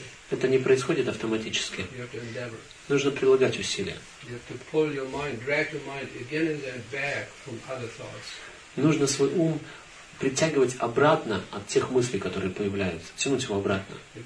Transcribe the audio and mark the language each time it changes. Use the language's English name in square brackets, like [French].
[Russian] Это не происходит автоматически. [English] You have to endeavor. [Russian] Нужно прилагать усилия. [English] You have to pull your mind, drag your mind again and then back from other thoughts. [Russian] Нужно свой ум притягивать обратно от тех мыслей, которые появляются, тянуть его обратно.